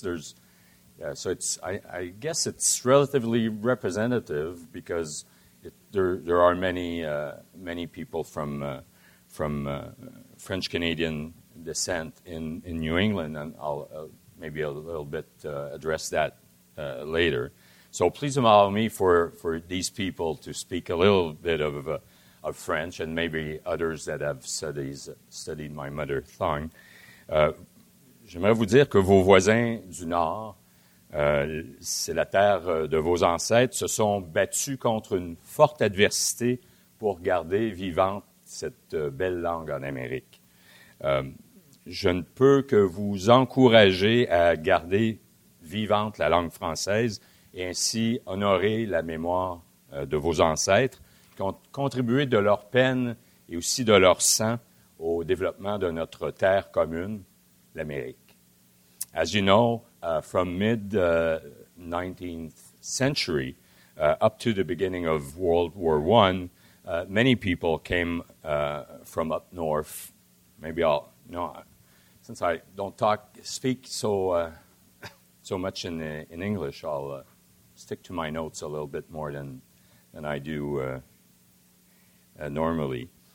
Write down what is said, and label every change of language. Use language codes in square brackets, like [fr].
[en] There's, yeah, so it's, I guess it's relatively representative because there are many, many people from French-Canadian descent in New England, and I'll maybe a little bit address that later. So please allow me for these people to speak a little bit of French and maybe others that have studied my mother tongue. [fr] J'aimerais vous dire que vos voisins du Nord, c'est la terre de vos ancêtres, se sont battus contre une forte adversité pour garder vivante cette belle langue en Amérique. Je ne peux que vous encourager à garder vivante la langue française et ainsi honorer la mémoire de vos ancêtres contribué de leur peine et aussi de leur sang au développement de notre terre commune, l'Amérique. [en] As you know, from mid-19th century up to the beginning of World War I, many people came from up north. Maybe I'll, no, since I don't speak so so much in English, I'll stick to my notes a little bit more than I do normally.